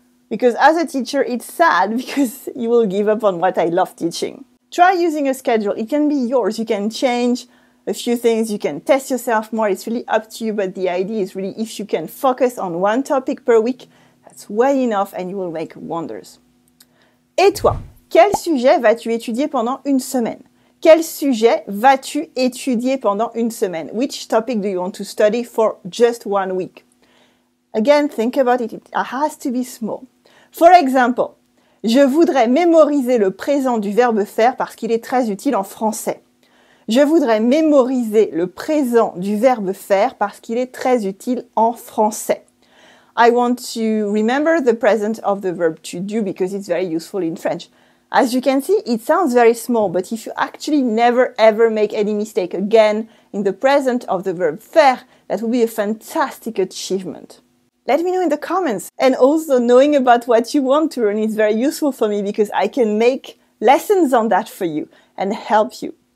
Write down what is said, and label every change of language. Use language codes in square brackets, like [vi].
[en] Because as a teacher, it's sad because you will give up on what I love teaching. Try using a schedule. It can be yours. You can change a few things, you can test yourself more, it's really up to you, but the idea is really if you can focus on one topic per week, that's well enough and you will make wonders. [fr] Et toi, quel sujet vas-tu étudier pendant une semaine? Quel sujet vas-tu étudier pendant une semaine? [en] Which topic do you want to study for just 1 week? Again, think about it, it has to be small. For example, [fr] je voudrais mémoriser le présent du verbe faire parce qu'il est très utile en français. Je voudrais mémoriser le présent du verbe faire parce qu'il est très utile en français. [en] I want to remember the present of the verb to do because it's very useful in French. As you can see, it sounds very small, but if you actually never ever make any mistake again in the present of the verb faire, that would be a fantastic achievement. Let me know in the comments. And also, knowing about what you want to learn is very useful for me because I can make lessons on that for you and help you.